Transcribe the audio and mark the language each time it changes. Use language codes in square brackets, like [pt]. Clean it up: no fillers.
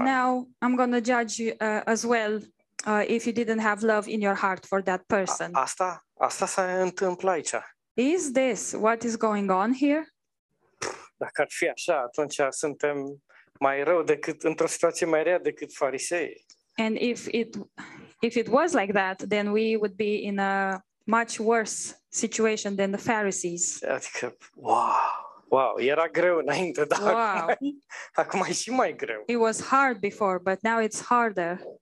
[en] But now I'm going to judge you as well if you didn't have love in your heart for that person. [ro] Asta se întâmplă aici. [en] Is this what is going on here? [ro] Dacă ar fi așa, atunci suntem mai rău decât într-o situație mai rea decât farisei. [en] And if it was like that, then we would be in a much worse situation than the Pharisees. [ro] Adică, wow, era greu înainte, dar acum e și mai greu. [en] It was hard before, but now it's harder.